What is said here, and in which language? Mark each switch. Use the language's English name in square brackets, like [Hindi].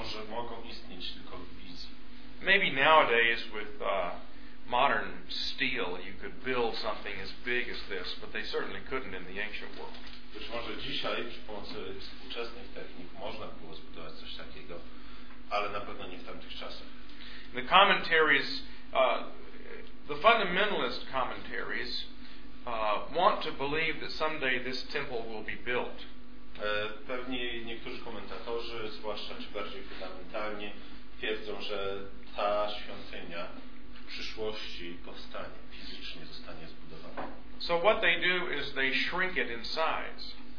[Polish] Mogą istnieć tylko w wizji. [English] Maybe nowadays with modern steel you could build something as big as this, but they certainly couldn't in the ancient world. [Polish] Być może dzisiaj przy pomocy współczesnych technik można było zbudować coś takiego, ale na pewno nie w tamtych czasach. [English] The commentaries, the fundamentalist commentaries want to believe that someday this temple will be built. [Polish] Pewnie niektórzy komentatorzy, zwłaszcza czy bardziej fundamentalnie, twierdzą, że ta świątynia w przyszłości powstanie, fizycznie zostanie zbudowana. [English] So what they do is they shrink it in size.